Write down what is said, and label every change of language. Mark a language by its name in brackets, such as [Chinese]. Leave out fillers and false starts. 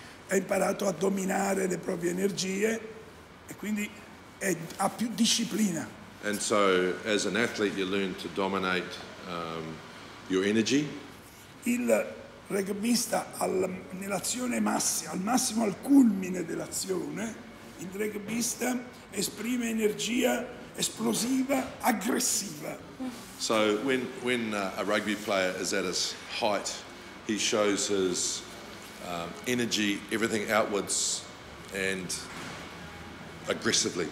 [Italian] Ha imparato a dominare le proprie energie e quindi ha più disciplina. [English] And so as an athlete you learn to dominate your energy. [Italian] Il rugbista nell'azione massima, al massimo al culmine dell'azione, il rugbista esprime energia esplosiva, aggressiva. [English] So when a rugby player is at his height, he shows his energy, everything outwards and aggressively.